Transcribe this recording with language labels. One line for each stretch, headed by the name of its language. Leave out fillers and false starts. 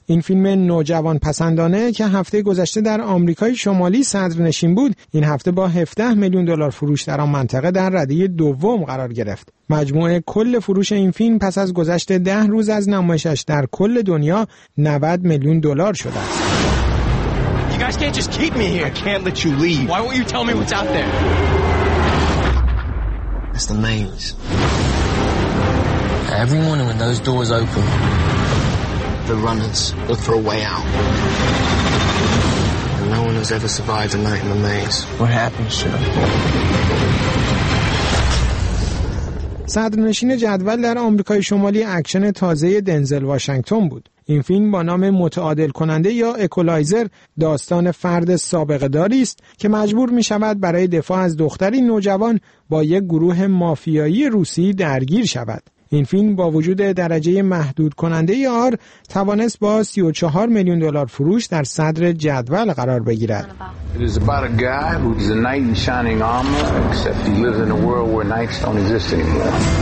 Persian: این فیلم نوجوان پسندانه که هفته گذشته در آمریکای شمالی صدر نشین بود، این هفته با 17 میلیون دلار فروش در آن منطقه در رده دوم قرار گرفت. مجموعه کل فروش این فیلم پس از گذشت 10 روز از نمایشش در کل دنیا 90 میلیون دلار شده است.
English: You guys can't just keep me here. I can't let you leave. Why won't you tell me what's out there? It's the mains. Every morning when those doors open, the runners look for a way out. And no one has ever survived a night in the mains. What happens, sir?
Persian: صدرنشین جدول در آمریکای شمالی اکشن تازه دنزل واشنگتن بود. این فیلم با نام متعادل کننده یا اکولایزر داستان فرد سابقه داری است که مجبور می شود برای دفاع از دختری نوجوان با یک گروه مافیایی روسی درگیر شود. این فیلم با وجود درجه محدود کننده آر توانست با 34 میلیون دلار فروش در صدر جدول قرار بگیرد.
English: It is about a guy who is a knight in shining armor, except he lives in a world where knights don't exist anymore.